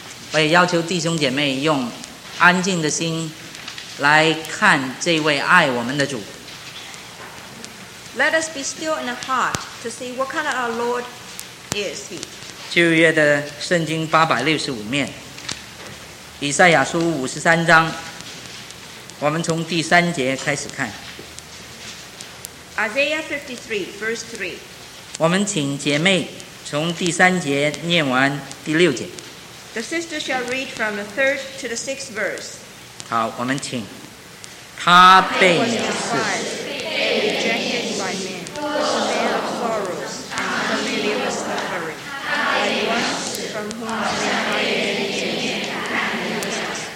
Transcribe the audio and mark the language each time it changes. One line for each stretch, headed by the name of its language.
Chinese: 我也要求弟兄姐妹用安静的心来看这位爱我们的主。
English: Let us be still in the heart to see what kind of our Lord is he.
Chinese: 旧约的圣经 865面, 以赛亚书 53章, 我们从第三节开始看。
English: Isaiah 53, verse 3.
Chinese: 我们请姐妹从第三节念完第六节。
English: The sister shall read from the third to the sixth verse.
Chinese: 好，我们请。他 被
English: despised, rejected by men, a man of sorrows, and familiar with suffering, and one from whom men hid his face, and he was despised.